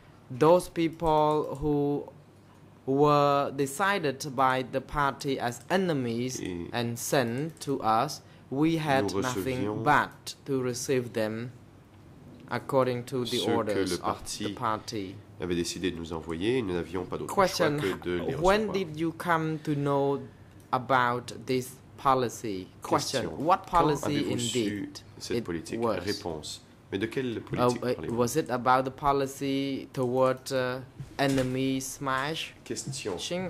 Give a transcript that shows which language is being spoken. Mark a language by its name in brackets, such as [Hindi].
[English] Those people who were decided by the party as enemies and sent to us, we had nothing but to receive them according to the orders of the party. [French] Avait décidé de nous envoyer, nous n'avions pas d'autre choix que de les recevoir. [English] When did you come to know about this policy? Question. What policy indeed? [French] Cette politique. [English] It was. [French] Réponse. Mais de quelle politique parlez-vous? [English] Was it about the policy toward enemy smash? Question.